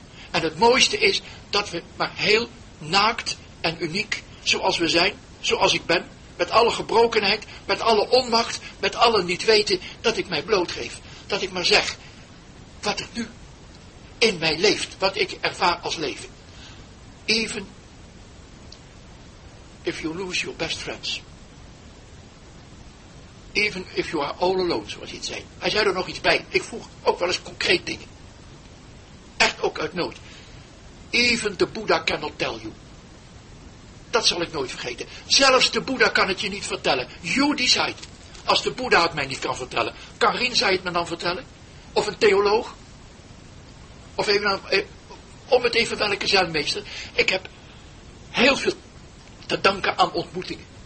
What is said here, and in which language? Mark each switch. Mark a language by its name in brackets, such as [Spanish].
[Dutch] En het mooiste is dat we maar heel naakt en uniek, zoals we zijn, zoals ik ben, met alle gebrokenheid, met alle onmacht, met alle niet weten, dat ik mij blootgeef. Dat ik maar zeg, wat er nu in mij leeft, wat ik ervaar als leven. [English] Even if you lose your best friends. Even if you are all alone, [Dutch] zoals hij het zei. Hij zei er nog iets bij. Ik vroeg ook wel eens concreet dingen. Echt ook uit nood. [English] Even the Buddha cannot tell you. [Dutch] Dat zal ik nooit vergeten. Zelfs de Buddha kan het je niet vertellen. [English] You decide. [Dutch] Als de Buddha het mij niet kan vertellen. Kan Rien zij het me dan vertellen? Of een theoloog? Of even om het even welke zenmeester. Ik heb heel veel te danken aan ontmoetingen.